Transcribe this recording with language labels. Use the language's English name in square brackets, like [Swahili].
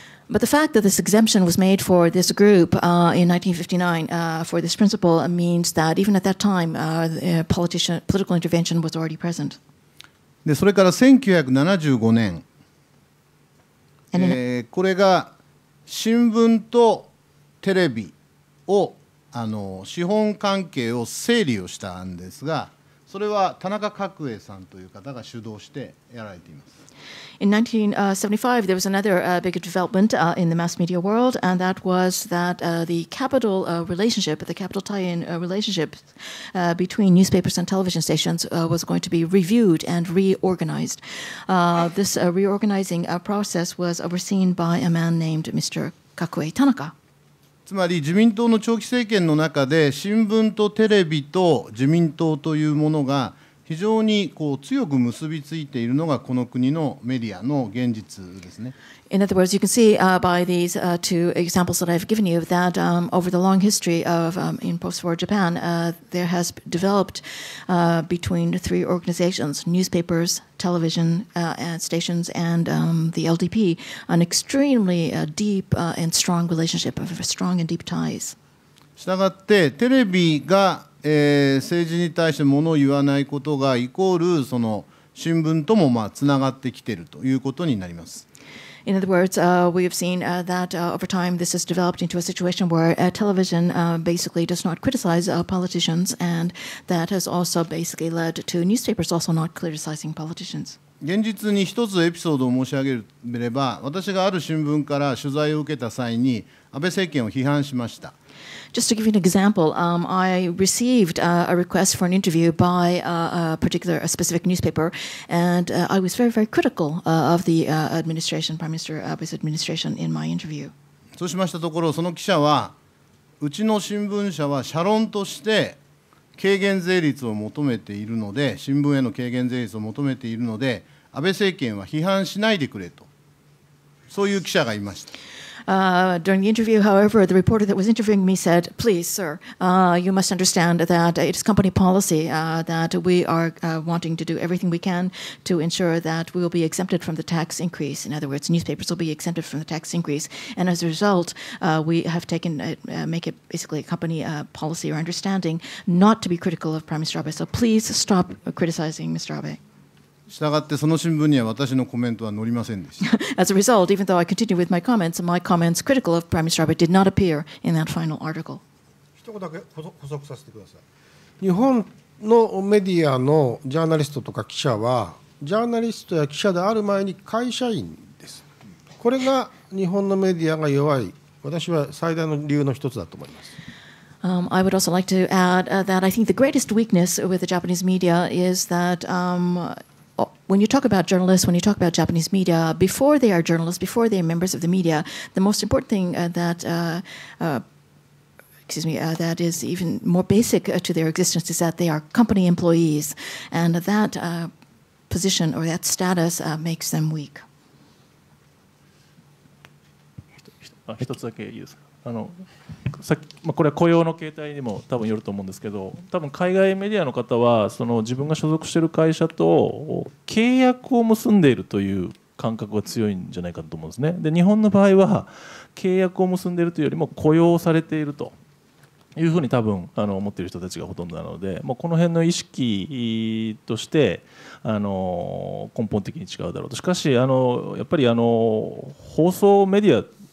[English] But the fact that this exemption was made for this group in 1959 for this principle means that even at that time, political intervention was already present. [Japanese] で、それから1975年、これが新聞とテレビを資本関係を整理をしたんですが、それは田中角栄さんという方が主導してやられています。 [English] In 1975, there was another big development in the mass media world, and that was that the capital relationship, the capital tie-in relationship between newspapers and television stations was going to be reviewed and reorganized. This reorganizing process was overseen by a man named Mr. Kakue Tanaka. [Japanese] つまり自民党の長期政権の中で新聞とテレビと自民党というものが非常にこう強く結びついているのがこの国のメディアの現実ですね。 [English] In other words, you can see by these two examples that I've given you that over the long history of in post-war Japan, there has developed between the three organizations, newspapers, television and stations, and the LDP, an extremely deep and strong relationship, of strong and deep ties. [Japanese] したがってテレビが政治に対してものを言わないことがイコールその新聞ともまあつながってきているということになります。 [English] In other words, we have seen that over time this has developed into a situation where television basically does not criticize politicians, and that has also basically led to newspapers also not criticizing politicians. [Japanese] 現実に一つエピソードを申し上げれば、私がある新聞から取材を受けた際に安倍政権を批判しました。 [English] Just to give you an example, I received a request for an interview by a specific newspaper, and I was very, very critical of the administration, Prime Minister Abe's administration in my interview. [Japanese] そうしましたところ、その記者は、うちの新聞社は社論として軽減税率を求めているので、新聞への軽減税率を求めているので、安倍政権は批判しないでくれと、そういう記者がいました。 [English] During the interview, however, the reporter that was interviewing me said, please, sir, you must understand that it is company policy that we are wanting to do everything we can to ensure that we will be exempted from the tax increase. In other words, newspapers will be exempted from the tax increase. And as a result, we have taken make it basically a company policy or understanding not to be critical of Prime Minister Abe. So please stop criticizing Mr. Abe. [Japanese] したがってその新聞には私のコメントは載りませんでした。 [English] As a result, even though I continue with my comments, my comments critical of Prime Minister Abe did not appear in that final article. [Japanese] 一言だけ補足させてください。日本のメディアのジャーナリストとか記者は、ジャーナリストや記者である前に会社員です。これが日本のメディアが弱い、私は最大の理由の一つだと思います。 [English] I would also like to add that I think the greatest weakness with the Japanese media is that when you talk about journalists, when you talk about Japanese media, before they are journalists, before they are members of the media, the most important thing that is even more basic to their existence is that they are company employees. And that position or that status makes them weak. One thing I want to say. [Japanese] さっき、まあ、これは雇用の形態にも多分よると思うんですけど、多分海外メディアの方はその自分が所属している会社と契約を結んでいるという感覚が強いんじゃないかと思うんですね。で、日本の場合は契約を結んでいるというよりも雇用されているというふうに多分思っている人たちがほとんどなので、もうこの辺の意識として根本的に違うだろうと。しかしやっぱり放送メディア